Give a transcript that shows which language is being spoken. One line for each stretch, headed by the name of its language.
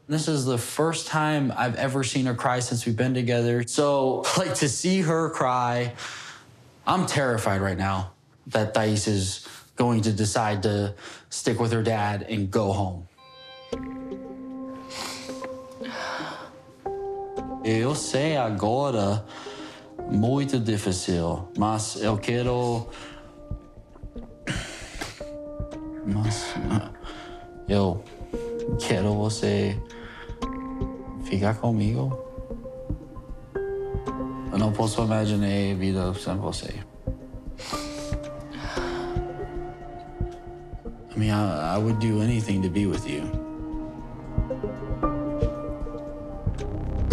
English: This is the first time I've ever seen her cry since we've been together. So, like, to see her cry, I'm terrified right now that Thaís is going to decide to stick with her dad and go home.
Portuguese: Eu sei agora muito difícil, mas eu quero... Mas eu quero você ficar comigo. Eu não posso imaginar a vida sem você.
English: I mean, I would do anything to be with you.